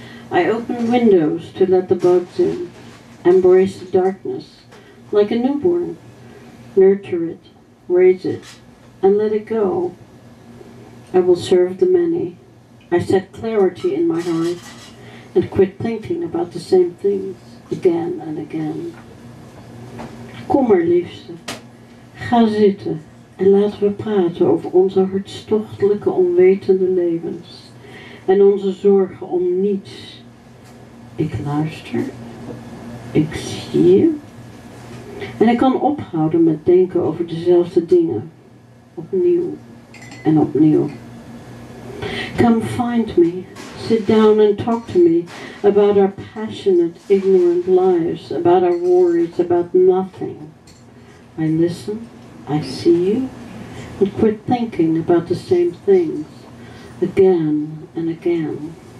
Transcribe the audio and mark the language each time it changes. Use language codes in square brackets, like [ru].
[en] I open windows to let the bugs in, embrace the darkness like a newborn, nurture it, raise it, and let it go. I will serve the many. I set clarity in my heart and quit thinking about the same things again and again. [nl] Kom maar, liefste. Ga zitten en laten we praten over onze hartstochtelijke onwetende levens en onze zorgen om niets. Ik luister. Ik zie je. En ik kan ophouden met denken over dezelfde dingen. Opnieuw en opnieuw. [en] Come find me. Sit down and talk to me about our passionate, ignorant lives, about our worries, about nothing. I listen, I see you, and quit thinking about the same things again and again.